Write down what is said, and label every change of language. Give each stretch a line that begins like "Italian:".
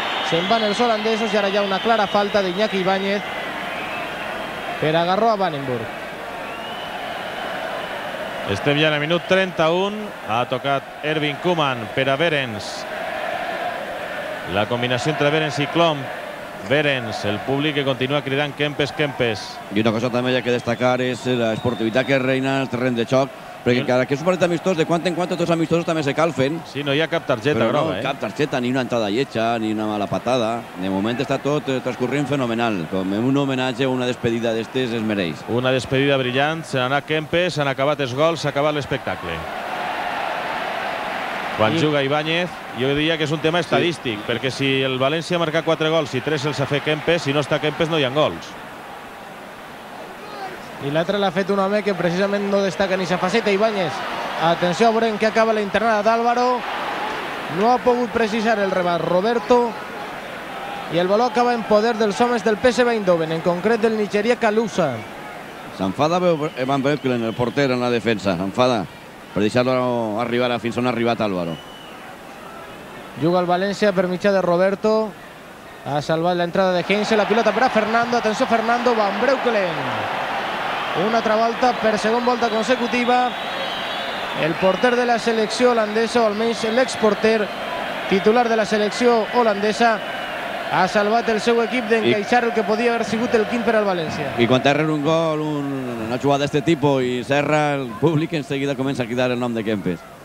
Spanish: Se van los holandeses y ahora ya una clara falta de Iñaki Ibáñez, pero agarró a Vandenburg. Estem ya en el minuto 31, ha tocado Erwin Koeman per a Berens. La combinación entre Berens y Klom.
Catalan: Berens, el públic que continua cridant Kempes, Kempes. I una cosa també hi ha que destacar és l'esportivitat que reina en el terreny de xoc, perquè cada que és un partit amistós, de quant en quant tots els amistosos també se calfen. Sí, no hi ha cap targeta groga, no, cap targeta, ni una entrada lletja, ni una mala patada. De moment està tot transcurrint fenomenal, com un homenatge o una despedida d'estes es mereix. Una despedida brillant, se n'ha anat Kempes, s'han acabat els gols, s'ha acabat l'espectacle. Quan juga Ibáñez, jo diria que és un tema estadístic, sí, perquè si el València marca 4 gols i 3 els ha fet Kempes, si no està Kempes no hi ha gols. I l'altre l'ha fet un home que precisament no destaca ni sa faceta, Ibáñez. Atenció a Bren, que acaba la internada d'Álvaro. No ha pogut precisar el rebat Roberto. I el valor acaba en poder dels homes del PSV Eindhoven, en concret del nigerià Kaluxa. S'enfada Van Breukelen, el porter, en la defensa, s'enfada. Per deixar-lo arribar fins on ha arribat Álvaro. Juga el València per mitjà de Roberto. Ha salvat l'entrada de Heinze. La pilota per a Fernando. Atenció, Fernando. Van Breukelen. Una altra volta per segon volta consecutiva. El porter de la selecció holandesa, o almenys l'exporter titular de la selecció holandesa, ha salvat el seu equip d'encaixar el que podia haver sigut el quint per al València. I quan erra un gol, una jugada d'aquest tipus, i s'erra, el públic en seguida comença a cridar el nom de Kempes.